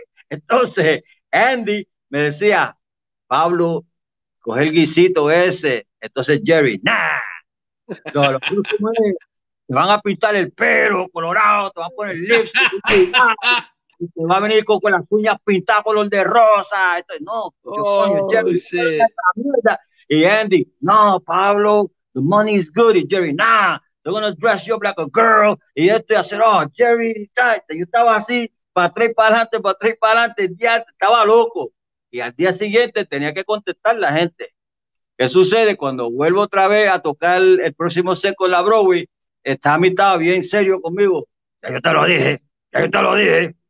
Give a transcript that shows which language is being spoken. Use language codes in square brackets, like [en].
[es] Entonces, Andy me decía, Pablo, coge el guisito ese. Entonces, Jerry, ¡nah! No, los grupos te van a pintar el pelo colorado, te van a poner lipstick, y te va a venir con las uñas pintadas color de rosa. Entonces, no, Jerry, sí. Y Andy, no, Pablo, [en] the money is good. [es] Y Jerry, ¡nah! [en] They're gonna dress you up like a girl. [es] Y yo estoy haciendo, oh, Jerry, tate. Yo estaba así, para atrás y para adelante, ya estaba loco. Y al día siguiente tenía que contestar la gente. ¿Qué sucede? Cuando vuelvo otra vez a tocar el próximo set con la Broadway, está a mitad bien serio conmigo. Ya yo te lo dije.